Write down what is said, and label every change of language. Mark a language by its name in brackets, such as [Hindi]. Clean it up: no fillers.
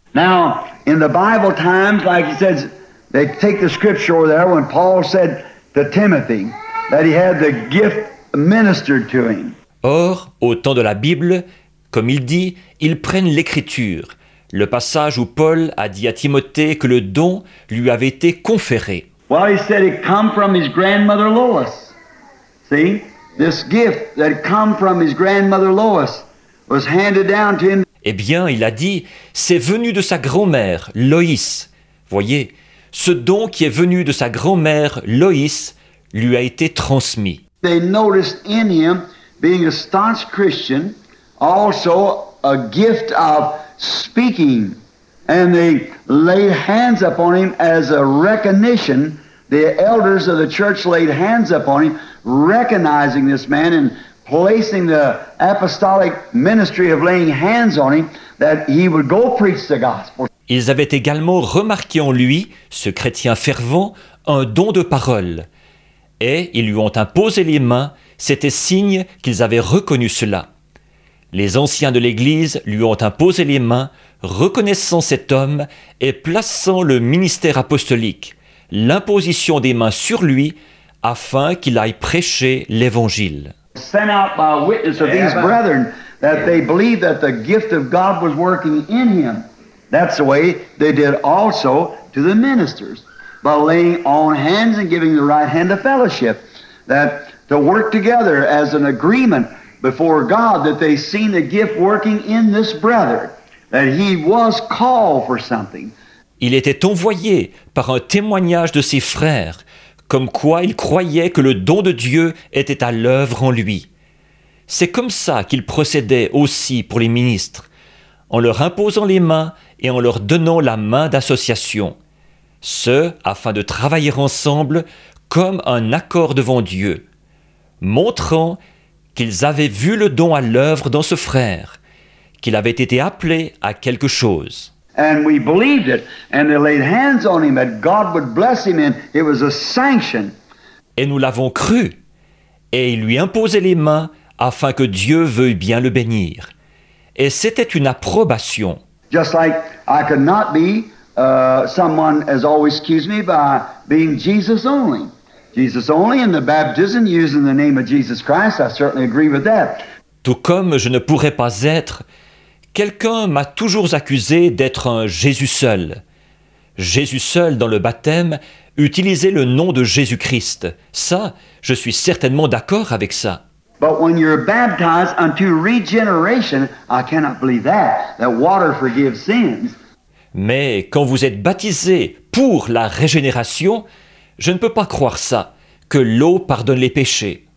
[English] Now, in the Bible times, like he says, they take the scripture there when Paul said to Timothy that he had the gift ministered to him. [French] Or, au temps de la Bible, comme il dit, ils prennent l'Écriture. Le passage où Paul a dit à Timothée que le don lui avait été conféré. [English] Well, he said it come from his grandmother Lois. See? This gift that come from his grandmother Lois was handed down to him. [French] Eh bien, il a dit, c'est venu de sa grand-mère, Loïs. Voyez, ce don qui est venu de sa grand-mère, Loïs, lui a été transmis. [English] They noticed in him, being a staunch Christian, also a gift of speaking. And they laid hands upon him as a recognition. The elders of the church laid hands upon him, recognizing this man and placing the apostolic ministry of laying hands on him, that he would go preach the gospel. [French] Ils avaient également remarqué en lui, ce chrétien fervent, un don de parole. Et ils lui ont imposé les mains, c'était signe qu'ils avaient reconnu cela. Les anciens de l'Église lui ont imposé les mains, reconnaissant cet homme et plaçant le ministère apostolique, l'imposition des mains sur lui, afin qu'il aille prêcher l'Évangile. [English] Sent out by witness of these brethren that they believed that the gift of God was working in him. That's the way they did also to the ministers, by laying on hands and giving the right hand of fellowship, that to work together as an agreement before God, that they seen the gift working in this brother, that he was called for something. [French] Il était envoyé par un témoignage de ses frères, comme quoi il croyait que le don de Dieu était à l'œuvre en lui. C'est comme ça qu'il procédait aussi pour les ministres, en leur imposant les mains et en leur donnant la main d'association, ce afin de travailler ensemble comme un accord devant Dieu, montrant qu'ils avaient vu le don à l'œuvre dans ce frère, qu'il avait été appelé à quelque chose. [English] And we believed it, and they laid hands on him that God would bless him, and it was a sanction. [French] Et nous l'avons cru, et ils lui imposaient les mains afin que Dieu veuille bien le bénir. Et c'était une approbation. [English] Just like I could not be someone has always excused me by being Jesus only. Jesus only in the baptism using the name of Jesus Christ, I certainly agree with that. [French] Tout comme je ne pourrais pas être... Quelqu'un m'a toujours accusé d'être un Jésus seul. Jésus seul, dans le baptême, utilisait le nom de Jésus-Christ. Ça, je suis certainement d'accord avec ça. [English] But when you're baptized unto regeneration, I cannot believe that, that water forgives sins. [French] Mais quand vous êtes baptisé pour la régénération, je ne peux pas croire ça, que l'eau pardonne les péchés.